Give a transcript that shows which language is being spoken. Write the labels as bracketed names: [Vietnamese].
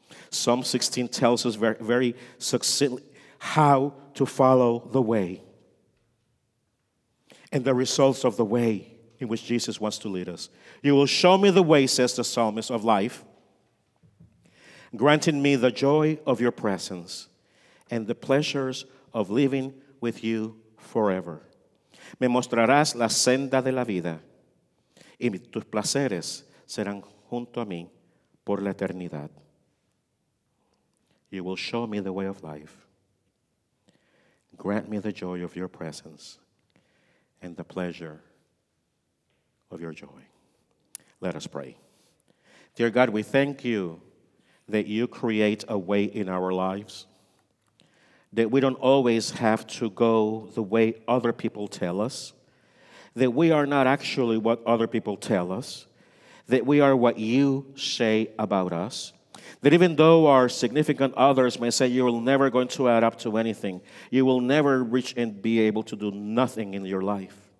[English] Psalm 16 tells us very, very succinctly how to follow the way and the results of the way in which Jesus wants to lead us. You will show me the way, says the psalmist, of life, granting me the joy of your presence and the pleasures of living with you forever. [Spanish] Me mostrarás la senda de la vida y tus placeres serán junto a mí por la eternidad. [English] You will show me the way of life. Grant me the joy of your presence and the pleasure of your joy. Let us pray. Dear God, we thank you that you create a way in our lives, that we don't always have to go the way other people tell us, that we are not actually what other people tell us, that we are what you say about us, that even though our significant others may say you will never going to add up to anything, you will never reach and be able to do nothing in your life.